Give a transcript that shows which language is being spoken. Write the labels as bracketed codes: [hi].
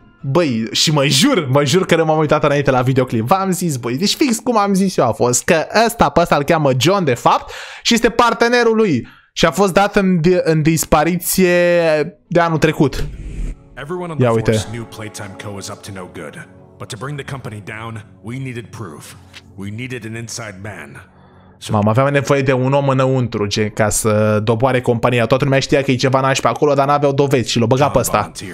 [ro] Băi, și mă jur că nu m-am uitat înainte la videoclip. V-am zis, băi, deci fix cum am zis eu a fost că ăsta pe ăsta îl cheamă John, de fapt, și este partenerul lui. Și a fost dat în dispariție de anul trecut. Ia uite. [en] New Playtime Co. is up to no good. But to bring the company down, we needed proof. We needed an inside man. [ro] Mamă, aveam nevoie de un om înăuntru, gen, ca să doboare compania. Toată lumea știa că e ceva nașpa acolo, dar n-aveau dovezi și l-o băga pe ăsta.